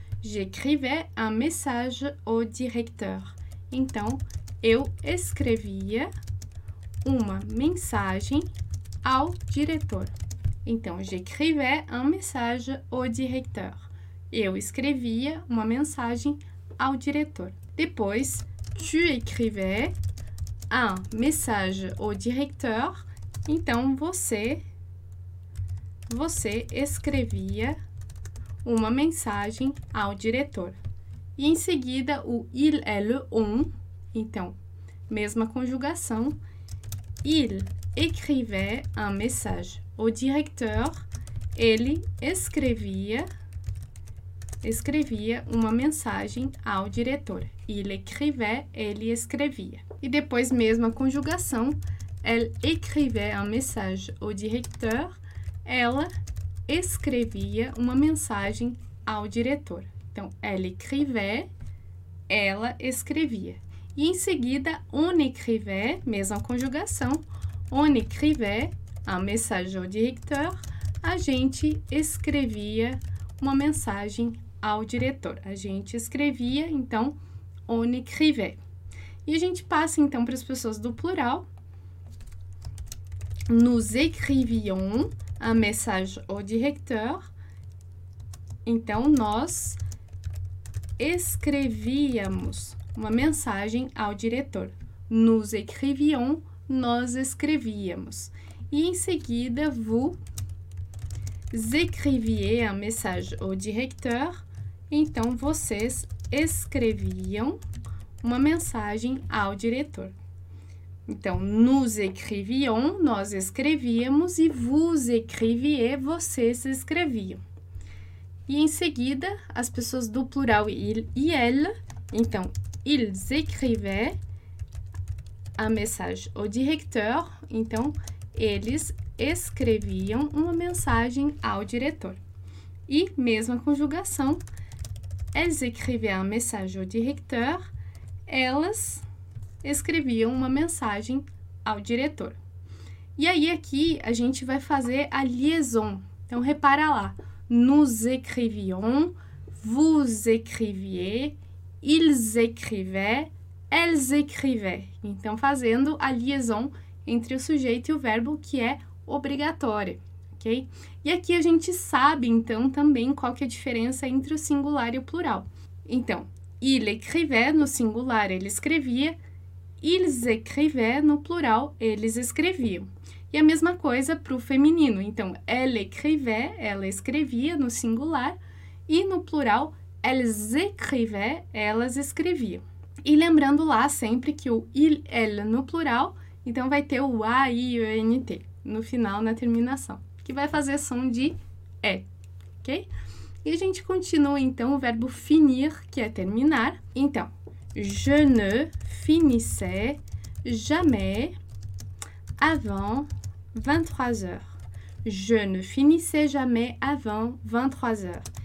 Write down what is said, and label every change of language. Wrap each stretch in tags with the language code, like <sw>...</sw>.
<fr>J'écrivais un message au directeur.</fr> <pt>Então, eu escrevia uma mensagem ao diretor.</pt> <fr>Então, j'écrivais un message au directeur.</fr> <pt>Eu escrevia uma mensagem ao diretor.</pt> <fr>Depois, tu écrivais un message au directeur.</fr> <pt>Então, você escrevia uma mensagem ao diretor. E em seguida, o</pt> <fr>il est le on.</fr> <pt>Então, mesma conjugação.</pt> <fr>Il écrivait un message au directeur.</fr> <pt>Ele escrevia uma mensagem ao diretor.</pt> <fr>Il écrivait,</fr> <pt>ele escrevia. E depois, mesma conjugação,</pt> <fr>elle écrivait un message au directeur,</fr> <pt>ela escrevia uma mensagem ao diretor. Então,</pt> <fr>elle écrivait,</fr> <pt>ela escrevia. E em seguida,</pt> <fr>on écrivait,</fr> <pt>mesma conjugação, on écrivait, a mensagem ao diretor, a gente escrevia uma mensagem ao diretor. A gente escrevia, então,</pt> <fr>on écrivait.</fr> <pt>E a gente passa, então, para as pessoas do plural.</pt> <fr>Nous écrivions un message au directeur.</fr> <pt>Então, nós escrevíamos uma mensagem ao diretor.</pt> <fr>Nous écrivions,</fr> <pt>nós escrevíamos. E em seguida,</pt> <fr>vous écriviez un message au directeur.</fr> <pt>Então, vocês escreviam uma mensagem ao diretor. Então,</pt> <fr>nous écrivions,</fr> <pt>nós escrevíamos, e</pt> <fr>vous écriviez,</fr> <pt>vocês escreviam. E em seguida, as pessoas do plural il e elle, então,</pt> <fr>ils écrivaient un message au directeur,</fr> <pt>então, eles escreviam uma mensagem ao diretor. E mesma conjugação,</pt> <fr>elles écrivaient un message au directeur,</fr> <pt>elas escreviam uma mensagem ao diretor. E aí, aqui, a gente vai fazer a liaison. Então, repara lá.</pt> <fr>Nous écrivions, vous écriviez, ils écrivaient, elles écrivaient.</fr> <pt>Então, fazendo a liaison entre o sujeito e o verbo, que é obrigatória, ok? E aqui, a gente sabe, então, também qual que é a diferença entre o singular e o plural. Então,</pt> <fr>il écrivait,</fr> <pt>no singular, ele escrevia.</pt> <fr>Ils écrivaient,</fr> <pt>no plural, eles escreviam. E a mesma coisa para o feminino. Então,</pt> <fr>elle écrivait,</fr> <pt>ela escrevia, no singular. E no plural,</pt> <fr>elles écrivaient,</fr> <pt>elas escreviam. E lembrando lá sempre que o il, elle, no plural, então vai ter o a, i, o, n, t, no final, na terminação. Que vai fazer som de é, ok? E a gente continua, então, o verbo finir, que é terminar.</pt> <fr>Então, je ne finissais jamais avant 23 heures. Je ne finissais jamais avant 23 heures.</fr>